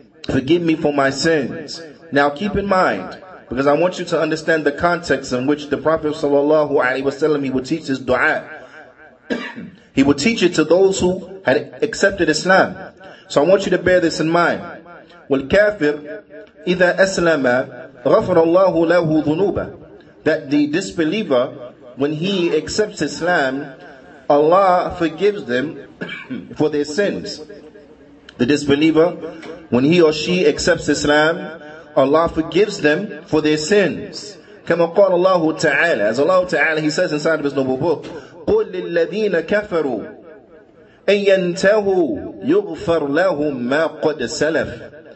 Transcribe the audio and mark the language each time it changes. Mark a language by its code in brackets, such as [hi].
[en] Now keep in mind, because I want you to understand the context in which the Prophet sallallahu alaihi wasallam, he would teach this dua. He would teach it to those who had accepted Islam. So I want you to bear this in mind. [ar] والكافر إذا أسلم غفر الله له ذنوبه. [en] That the disbeliever, when he accepts Islam, Allah forgives them for their sins. The disbeliever, when he or she accepts Islam, Allah forgives them for their sins. [ar] كما قال الله تعالى, [en] as Allah Ta'ala, He says inside of His noble book, [ar] قُلْ لِلَّذِينَ كَفَرُوا أَنْ يَنْتَهُوا يُغْفَرْ لَهُمْ مَا قَدْ سَلَفْ.